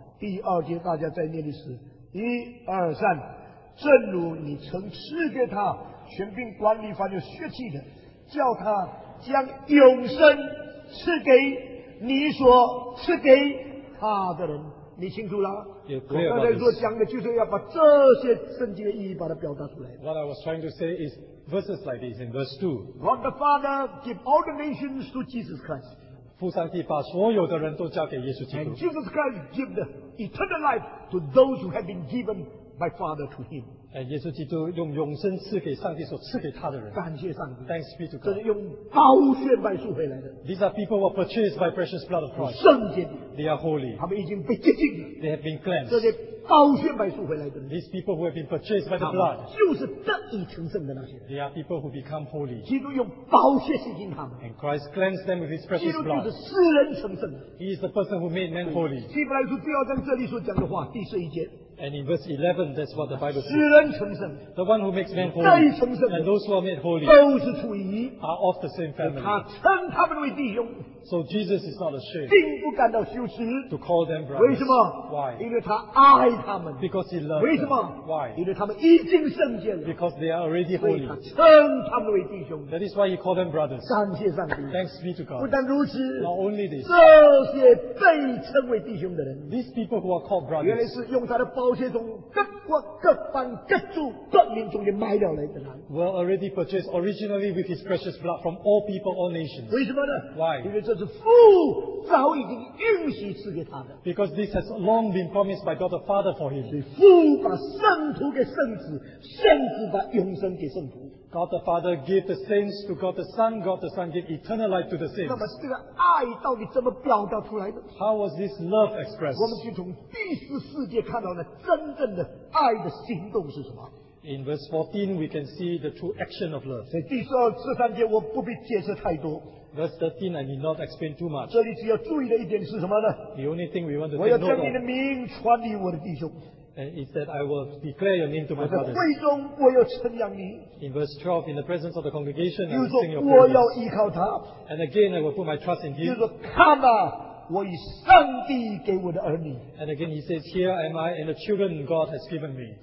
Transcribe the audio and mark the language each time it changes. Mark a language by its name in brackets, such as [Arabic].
[Chinese] 第二节，大家在念的是一二三，正如你曾赐给他权柄管理凡有血气的，叫他将永生赐给你所赐给他的人。你清楚了？我刚才说讲的就是要把这些圣经的意义把它表达出来。 [English] What I was trying to say is verses like this in verse 2. God the Father give all the nations to Jesus Christ. [Chinese] 父上帝把所有的人都交给耶稣基督。 [English] And Jesus Christ give the eternal life to those who have been given by Father to him. [Chinese] 耶稣基督用永生赐给上帝所赐给他的人。感谢上帝。 [English] Thanks be to God. [Chinese] 这是用宝血买赎回来的。 [English] These are people who are purchased by precious blood of Christ. [Chinese] 圣洁。 [English] They are holy. [Chinese] 他们已经被洁净了。 [English] They have been cleansed. [Chinese] 这些宝血买赎回来的人。 [English] These people who have been purchased by the blood. [Chinese] 就是得以成圣的那些。 [English] They are people who become holy. [Chinese] 基督用宝血洗净他们。 [English] And Christ cleansed them with his precious blood. [Chinese] 基督就是世人成圣。 [English] He is the person who made men holy. [Chinese] 希伯来书第二章这里所讲的话，第十一节。 [English] And in verse 11, that's what the Bible says. [Chinese] 世人成圣。 [English] The one who makes men holy. [Chinese] 再成圣。 [English] And those who are made holy. [Chinese] 都是出于。 [English] Are of the same family. [Chinese] 他称他们为弟兄。 [English] So Jesus is not ashamed. [Chinese] 并不感到羞耻。 [English] To call them brothers. [Chinese] 为什么？ [English] Why? [Chinese] 因为他爱他们。 [English] Because he loves. [Chinese] 为什么？ [English] Why? [Chinese] 因为他们已经圣洁了。 [English] Because they are already holy. [Chinese] 所以他称他们为弟兄。 [English] That is why he called them brothers. [Chinese] 感谢上帝。 [English] Thanks be to God. [Chinese] 不但如此。 [English] Not only this. [Chinese] 这些被称为弟兄的人。 [English] These people who are called brothers. [Chinese] 原来是用他的宝血从各国各邦各族各民中间买了来的人。 [English] Were already purchased originally with his precious blood from all people, all nations. [Chinese] 为什么呢？ [English] Why? [Chinese] 因为这是父早已经应许赐给他的。 [English] Because this has long been promised by God the Father for him. [Chinese] 父把圣徒给圣子，圣子把永生给圣徒。 [English] God the Father gave the saints to God the Son. God the Son gave eternal life to the saints. [Chinese] 那么这个爱到底怎么表达出来的？ [English] How was this love expressed? [Chinese] 我们就从第十四节看到了真正的爱的行动是什么。 [English] In verse 14, we can see the true action of love. [Chinese] 在第十二、十三节，我不必解释太多。 [English] Verse 13, I need not explain too much. [Chinese] 这里只要注意的一点是什么呢？ [English] The only thing we want to take note of. [Chinese] 我要将你的名传给我的弟兄。 [English] And he said, I will declare your name to my brothers. [Chinese] 我在会中我要称扬你。 [English] In verse 12, in the presence of the congregation, [Chinese] 就是说, [English] I will sing your praise. [Chinese] 我要依靠他。 [English] And again, I will put my trust in him. [Chinese] 就是说, 看啊, 我以上帝给我的儿女。 [English] And again, he says, here am I and the children God has given me.